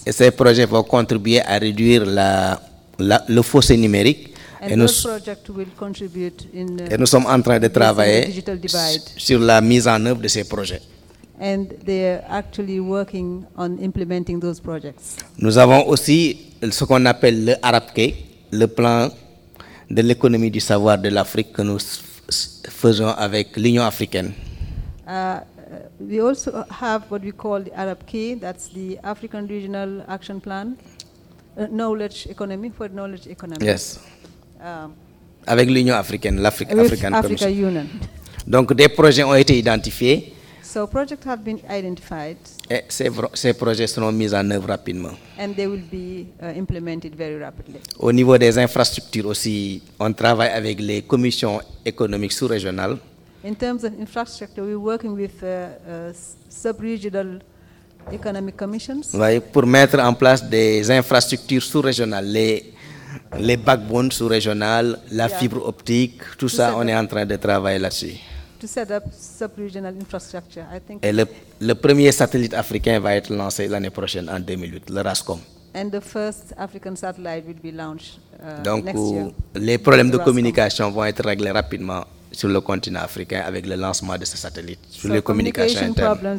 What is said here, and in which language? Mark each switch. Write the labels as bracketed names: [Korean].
[French] Et ces projets vont contribuer à réduire le fossé numérique. [English] And those projects will contribute in. [French] Et nous sommes en train de travailler sur la mise en œuvre de ces projets. [English] And they are actually working on implementing those projects. [French] Nous avons aussi ce qu'on appelle le ARAPK, le plan de l'économie du savoir de l'Afrique que nous faisons avec l'Union africaine. [English] We also have what we call the ARAPK, that's the African Regional Action Plan, knowledge economy. [French] Yes. Avec l'Union africaine, l'Afrique africaine. [English] Africa Union. [French] Donc des projets ont été identifiés. [English] So projects have been identified. [French] Ces projets seront mis en œuvre rapidement. [English] And they will be implemented very rapidly. [French] Au niveau des infrastructures aussi, on travaille avec les commissions économiques sous-régionales. [English] In terms of infrastructure, we're working with sub-regional economic commissions. [French] Oui, pour mettre en place des infrastructures sous-régionales, les backbones sous-régionales, la fibre optique, tout ça, on est en train de travailler là-dessus. [English] To set up sub-regional infrastructure, I think. [French] Et le premier satellite africain va être lancé l'année prochaine, en 2008, le RASCOM. [English] And the first African satellite will be launched [French] donc, [English] next year. [French] Donc, les problèmes de communication vont être réglés rapidement sur le continent africain avec le lancement de ce satellite, sur les communications internes.